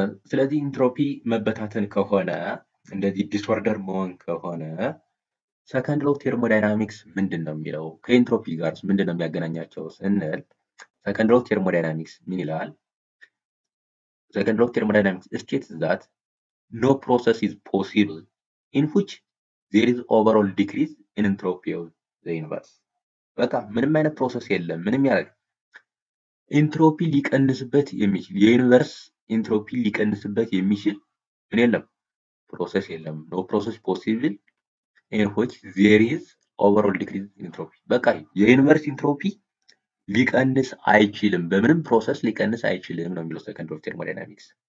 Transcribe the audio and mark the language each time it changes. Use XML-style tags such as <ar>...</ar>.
<am>ስለዚህ ኢንትሮፒ መበታተን ከሆነ እንደዚህ ዲስኦርደር መሆን ከሆነ ሰከንድ ሎው ቴርሞዳይናሚክስ ምንድነው የሚለው ከኢንትሮፒ ጋርስ ምንድነው የሚያገናኛቸው ስንል ሰከንድ ሎው ቴርሞዳይናሚክስ ምን ይላል? ሰከንድ ሎው ቴርሞዳይናሚክስ</am> <en>ስቴትስ ዛት no process is possible in which there is overall decrease in entropy of the universe.</en> <am>በቃ ምንም አይነት process የለም ምንም ያለ entropy ሊቀንስበት የሚችል የዩኒቨርስ entropy ሊቀንስበት የሚችል ምን የለም process የለም</am> <en>no process possible in which there is overall decrease in entropy.</en> <am>በቃ የዩኒቨርስ entropy ሊቀንስ አይችልም በምንም process ሊቀንስ አይችልም ነው የሚለው second of thermodynamics.</am>